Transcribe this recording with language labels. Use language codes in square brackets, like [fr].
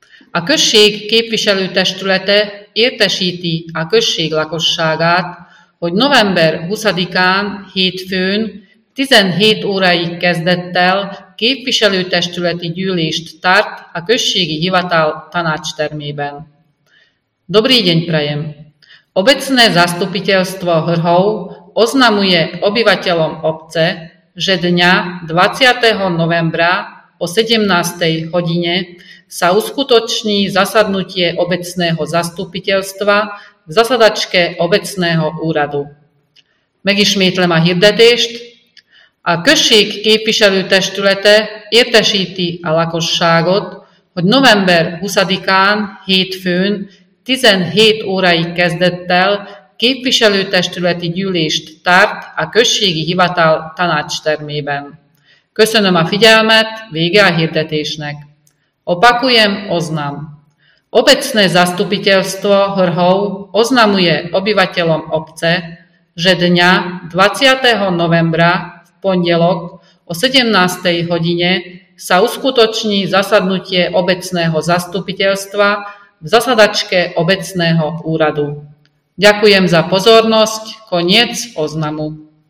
[hu] A község képviselőtestülete értesíti a község lakosságát, hogy november 20-án hétfőn 17 óráig kezdett el képviselőtestületi gyűlést tart a községi hivatal tanácstermében. [sk] Dobrý deň prajem! Obecné zastupiteľstvo Hrhov oznamuje obyvateľom obce, že dňa 20. novembra o 17. hodine sa uskutoční zasadnutie obecného zastupiteľstva v zasadačke obecného úradu. [hu] Megismétlem a hirdetést. A község képviselőtestülete értesíti a lakosságot, hogy november 20-án hétfőn 17 óráig kezdett el képviselőtestületi gyűlést tart a községi hivatal tanácstermében. Köszönöm a figyelmet, vége a hirdetésnek. [sk] Opakujem, oznam. Obecné zastupiteľstvo Hrhov oznamuje obyvateľom obce, že dňa 20. novembra v pondelok o 17. hodine sa uskutoční zasadnutie obecného zastupiteľstva v zasadačke obecného úradu. Ďakujem za pozornosť, koniec oznamu.